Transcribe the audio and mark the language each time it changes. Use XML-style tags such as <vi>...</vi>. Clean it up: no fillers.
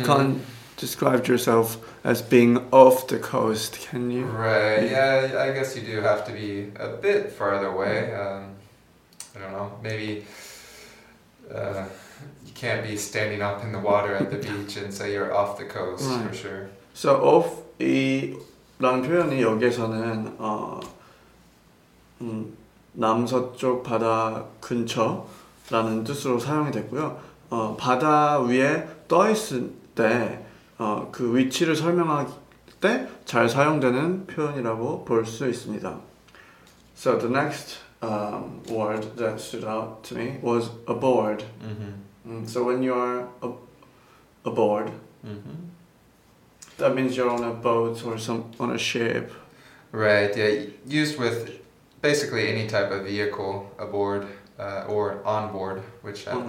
<en>you can't describe yourself as being off the coast, can you? Right, yeah, I guess you do have to be a bit farther away. I don't know, maybe you can't be standing up in the water at the beach and say you're off the coast, right. For sure.</en> <ko>So, off 이란 표현이 여기에서는 남서쪽 바다 근처라는 뜻으로 사용이 됐고요. 바다 위에 떠 있을 때 그 위치를 설명할 때 잘 사용되는 표현이라고 볼 수 있습니다.</ko> <en>So the next word that stood out to me was aboard. Mm-hmm. So when you are aboard, mm-hmm. that means you're on a boat or on a ship. Right, yeah, used with basically any type of vehicle, aboard or on board, which have</en>